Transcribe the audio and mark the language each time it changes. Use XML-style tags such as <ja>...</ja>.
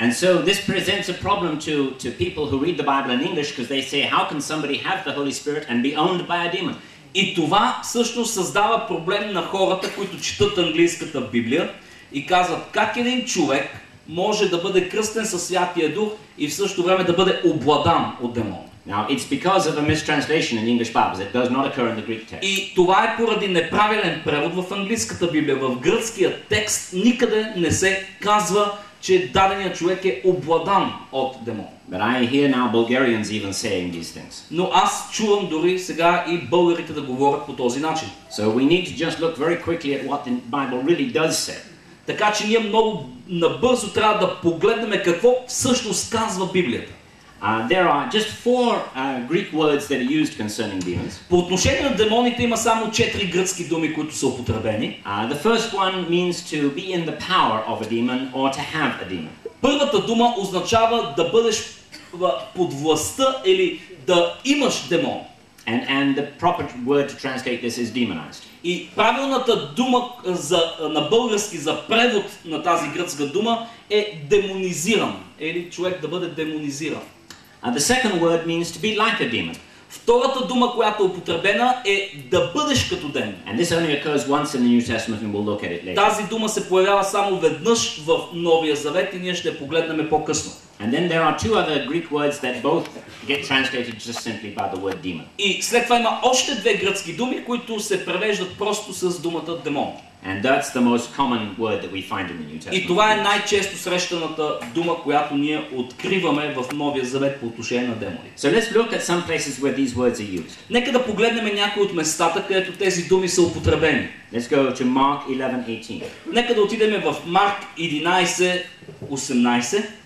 <en>And so this presents a problem to people who read the Bible in English, because they say, how can somebody have the Holy Spirit and be owned by a demon?</en> <bg>И това всъщност създава проблем на хората, които четат английската Библия и казват как един човек може да бъде кръстен със Святия Дух и в същото време да бъде обладан от демон.</bg> <en>Now it's because of a mistranslation in English Bibles. It does not occur in the Greek text.</en> <bg>И това е поради неправилен превод в английската Библия. В гръцкия текст никъде не се казва, че даденият човек е обладан от демон.</bg> <en>But I hear now Bulgarians even saying these things.</en> <bg>Но аз чувам дори сега и българите да говорят по този начин.</bg> <en>So we need to just look very quickly at what the Bible really does say.</en> <bg>Така че ние много набързо трябва да погледнем какво всъщност казва Библията.</bg> <en>There are just four Greek words that are used concerning demons.</en> <bg>По отношение на демоните има само 4 гръцки думи, които са употребени.</bg> <en>The first one means to be in the power of a demon or to have a demon.</en> <bg>Първата дума означава да бъдеш под властта или да имаш демон.</bg> <en>And the proper word to translate this is demonized.</en> <bg>И правилната дума за, на български за превод на тази гръцка дума е демонизиран, или човек да бъде демонизиран.</bg> <en>And the second word means to be like a demon.</en> <bg>Втората дума, която е употребена, е да бъдеш като демон.</bg> <en>And this only occurs once in the New Testament and we'll look at it later.</en> <bg>Тази дума се появява само веднъж в Новия Завет и ние ще я погледнем по-късно.</bg> <en>And then there are two other Greek words that both get translated just simply by the word demon.</en> <bg>И след това има още две гръцки думи, които се превеждат просто с думата демон.</bg> <en>And that's the most common word that we find in the New Testament.</en> <bg>И това е най-често срещаната дума, която ние откриваме в Новия Завет по отношение на демони.</bg> <en>So let's look at some places where these words are used.</en> <bg>Нека да погледнем някои от местата, където тези думи са употребени.</bg> <en>Let's go to Mark 11:18.</en> <bg>Нека да отидем в Марк 11:18.</bg>